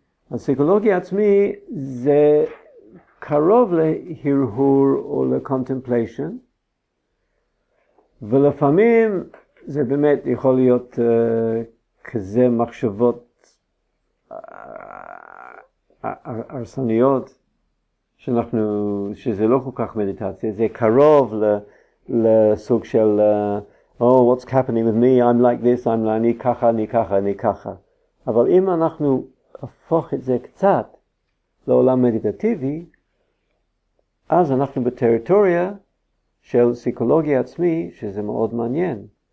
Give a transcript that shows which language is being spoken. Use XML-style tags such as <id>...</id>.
<he>הפסיכולוגיה עצמי זה קרוב להרהור או לקונטמפליישן, ולפעמים זה באמת יכול להיות כזה מחשבות הרסניות שאנחנו, שזה לא כל כך מדיטציה, זה קרוב לסוג של,</he> <en>oh, what's happening with me? I'm like this, I'm like,</en> <he>אני ככה, אני ככה, אני ככה. אבל אם אנחנו הפוך את זה קצת לעולם מדיטטיבי, אז אנחנו בטריטוריה של פסיכולוגיה עצמי, שזה מאוד מעניין.</he>